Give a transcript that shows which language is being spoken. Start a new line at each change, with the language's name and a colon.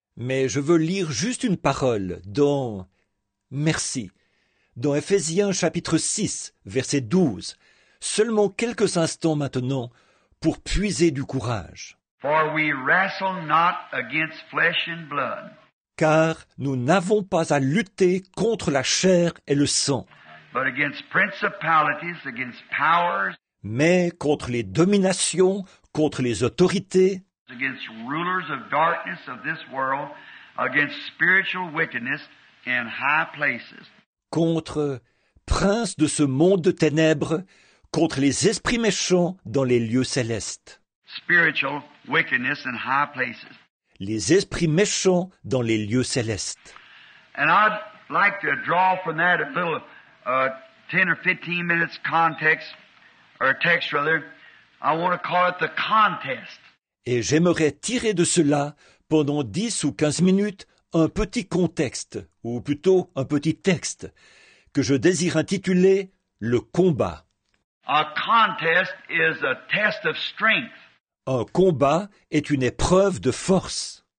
French: Mais je veux lire juste une parole dans, merci, dans Éphésiens chapitre 6, verset 12, seulement quelques instants maintenant pour puiser du courage.
English: For we wrestle not against flesh and blood.
French: Car nous n'avons pas à lutter contre la chair et le sang,
English: but against principalities, against powers,
French: mais contre les dominations, contre les autorités,
English: against rulers of darkness of this world, against spiritual wickedness in high places.
French: Contre princes de ce monde de ténèbres, contre les esprits méchants dans les lieux célestes.
English: Spiritual wickedness in high places.
French: Les esprits méchants dans les lieux célestes.
English: And I'd like to draw from that a little 10 or 15 minutes context or text rather. I want to call it the contest.
French: Et j'aimerais tirer de cela, pendant 10 ou 15 minutes, un petit contexte, ou plutôt un petit texte, que je désire intituler « Le combat ».
English: A contest is a test of strength.
French: Un combat est une épreuve de force.